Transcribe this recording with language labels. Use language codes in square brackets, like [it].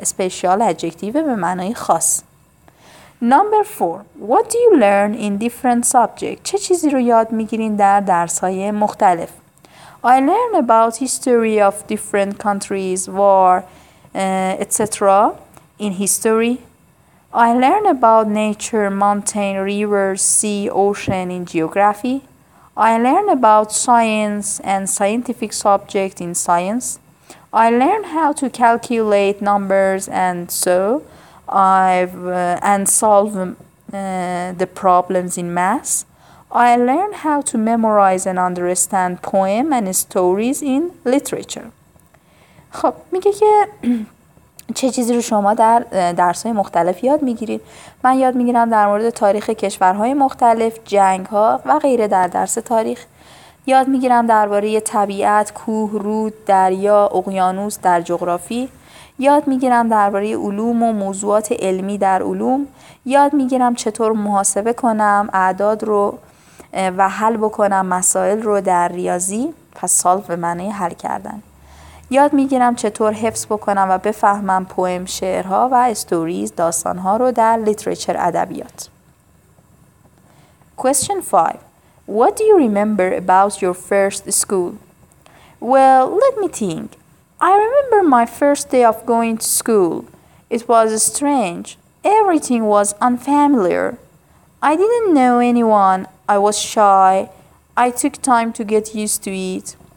[en] Special adjective [fa] به معنای خاص. [en] Number 4. What do you learn in different subjects? [fa] چه چیزی رو یاد میگیرین در درس‌های مختلف؟ [en] I learn about history of different countries, war, etc. in history. I learn about nature, mountain, rivers, sea, ocean in geography. I learn about science and scientific subject in science. I learn how to calculate numbers and so and solve the problems in math. I learn how to memorize and understand poem and stories in literature. [fa] خب میگه که چه چیزی رو شما در درس‌های مختلف یاد میگیرید؟ من یاد میگیرم در مورد تاریخ کشورهای مختلف، جنگ‌ها و غیره در درس تاریخ. یاد میگیرم درباره طبیعت، کوه، رود، دریا، اقیانوس در جغرافی. یاد میگیرم درباره علوم و موضوعات علمی در علوم. یاد میگیرم چطور محاسبه کنم، اعداد رو و حل بکنم مسائل رو در ریاضی. پس سالف به معنی حل کردن. یاد میگیرم چطور حفظ بکنم و بفهمم پوئم، شعرها و استوریز، داستانها رو در لیتریچر ادبیات. [en] Question 5. What do you remember about your first school? Well, let me think. I remember my first day of going to school. It was strange. Everything was unfamiliar. I didn't know anyone. I was shy. I took time to get used to it.